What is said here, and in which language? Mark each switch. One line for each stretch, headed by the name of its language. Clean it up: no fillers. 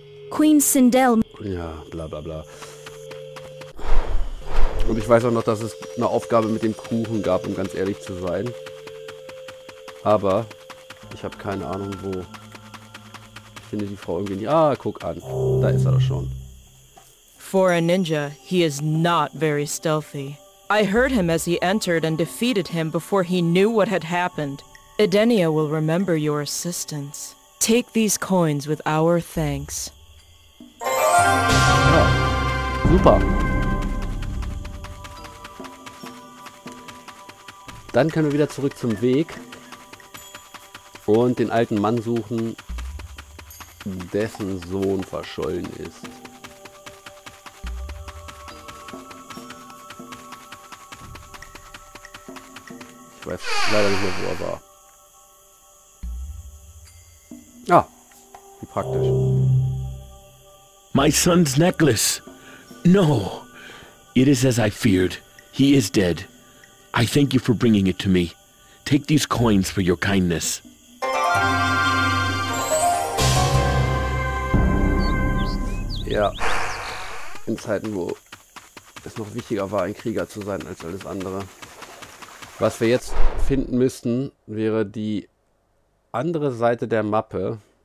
German: Queen Sindel. Ja, bla bla bla. Und ich weiß auch noch, dass es eine Aufgabe mit dem Kuchen gab, um ganz ehrlich zu sein. Aber ich habe keine Ahnung, wo. Ich finde die Frau irgendwie nicht. Ah, guck an. Da ist er doch schon.
English: For a ninja, he is not very stealthy. I heard him as he entered and defeated him before he knew what had happened. Edenia will remember your assistance. Take these coins with our thanks.
German: Ja, super. Dann können wir wieder zurück zum Weg und den alten Mann suchen, dessen Sohn verschollen ist. Ich weiß leider nicht mehr, wo er war. Ah, wie praktisch.
English: My son's necklace. No, it is as I feared. He is dead. I thank you for bringing it to me. Take these coins for your kindness.
German: Ja, in Zeiten, wo es noch wichtiger war, ein Krieger zu sein als alles andere. Was wir jetzt finden müssten, wäre die andere Seite der Mappe.